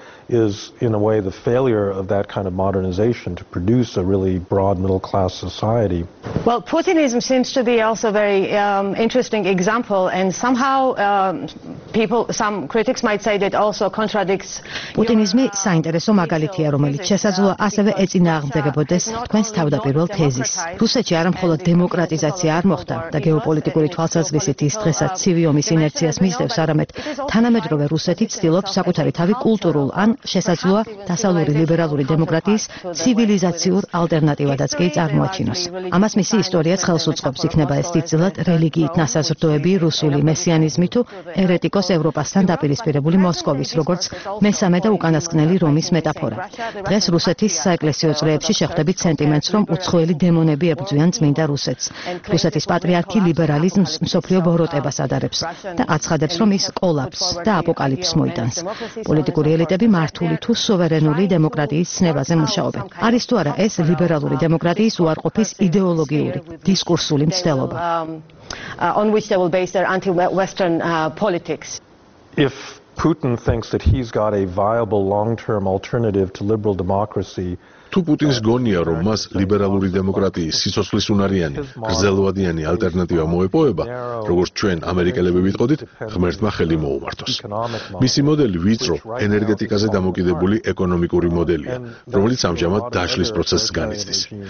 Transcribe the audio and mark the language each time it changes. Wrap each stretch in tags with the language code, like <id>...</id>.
<en>Is in a way the failure of that kind of modernization to produce a really broad middle class society. Well, Putinism seems to be also very interesting example, and somehow some critics might say that also contradicts</en> <ka>Putinizmi საინტერესო მაგალითია, რომელიც შესაძლოა ასევე ეწინააღმდეგებოდეს თქვენს თავდაპირველ თეზის. რუსეთში არ მხოლოდ დემოკრატიზაცია არ მოხდა და გეოპოლიტიკური თვალსაზრისით ის დღესაც ცივი ომის ინერციას მისდევს, არამედ თანამედროვე რუსეთი ცდილობს საკუთარი თავი კულტურულ ან შესაძლოა დასავლური ლიბერალური დემოკრატიის ცივილიზაციურ ალტერნატივადაც კი წარმოაჩინოს. ამას მისი ისტორიაც ხელს უწყობს, იქნება ეს დიდწილად რელიგიით ნასაზრდოები, რუსული მესიანიზმი თუ ერეტიკოს ევროპასთან დაპირისპირებული მოსკოვის, როგორც მესამე და უკანასკნელი რომის მეტაფორა. დღეს რუსეთის საეკლესიო წრეებში შეხვდებით სენტიმენტს, რომ უცხოელი დემონები ებრძვიან წმინდა რუსეთს. რუსეთის პატრიარქი ლიბერალიზმს მსოფლიო ბოროტებას ადარებს და აცხადებს, რომ ის კოლაფს და აპოკალიფს მოიტანს. პოლიტიკური ელიტები მართული თუ სუვერენული დემოკრატიის ცნებაზე მუშაობენ. არის თუ არა ეს ლიბერალური დემოკრატიის უარყოფის იდეოლოგიური დისკურსული მცდელობა?</ka> <en>On which they will base their anti-Western politics. If Putin thinks that he's got a viable long-term alternative to liberal democracy,</en> <ka>თუ პუტინს გონია, რომ მას ლიბერალური დემოკრატიის სიცოცხლის უნარიანი, გრძელვადიანი ალტერნატივა მოეპოვება, როგორც ჩვენ ამერიკელები ვიტყოდით, ღმერთმა ხელი მოუმართოს. მისი მოდელი ვიწრო, ენერგეტიკაზე დამოკიდებული ეკონომიკური მოდელია, რომელიც ამჟამად დაშლის პროცესს განიცდის.</ka>